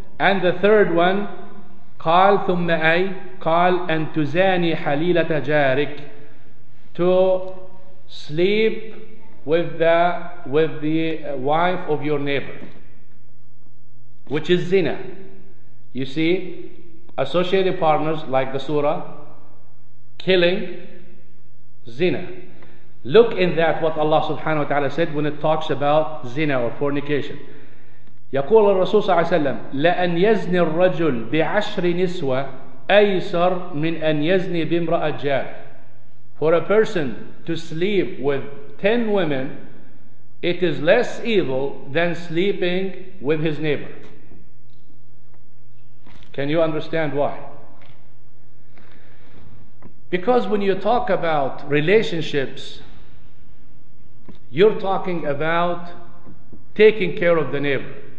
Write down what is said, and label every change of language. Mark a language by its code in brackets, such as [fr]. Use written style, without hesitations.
[en] And the third one, [ar] قال ثم أي قال أن تزاني حليلة جارك, [en] to sleep with the wife of your neighbor, which is zina. You see, associated partners like the surah, killing, zina. Look in that what Allah subhanahu wa ta'ala said when it talks about zina or fornication. [ar] يقول الرسول صلى الله عليه وسلم لأن يزني الرجل بعشر نسوة أيسر من أن يزني بامرأة جار. [en] For a person to sleep with 10 women, it is less evil than sleeping with his neighbor. Can you understand why? Because when you talk about relationships, you're talking about taking care of the neighbor.